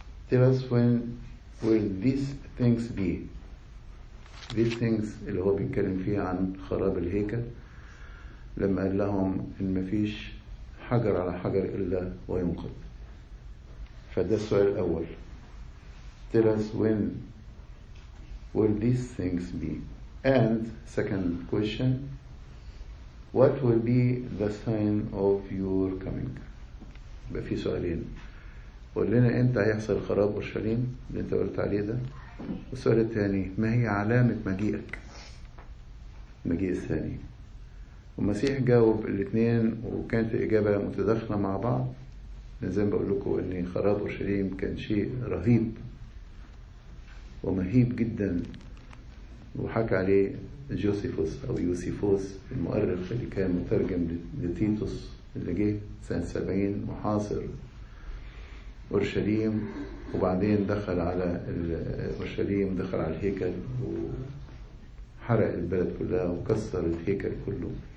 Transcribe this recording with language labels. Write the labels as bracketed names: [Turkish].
[English] Tell us when will these things be. These things [Arabic] اللي هو بيتكلم فيها عن خراب الهيكل لما قال لهم إن مفيش حجر على حجر إلا وينقض. فده السؤال الأول. [English] Tell us when will these things be. And second question, what will be the sign of your coming. [Arabic] يبقى في سؤالين. قول لنا امتى هيحصل خراب اورشليم اللي انت قلت عليه ده. والسؤال الثاني, ما هي علامه مجيئك المجيء الثاني. والمسيح جاوب الاثنين وكانت الاجابه متداخله مع بعض. من زي ما بقول لكم ان خراب اورشليم كان شيء رهيب ومهيب جدا, وحكى عليه جوسيفوس أو يوسيفوس المؤرخ اللي كان مترجم لتيتوس اللي جه سنة 70 وحاصر أورشليم وبعدين دخل على أورشليم, دخل على الهيكل وحرق البلد كلها وكسر الهيكل كله.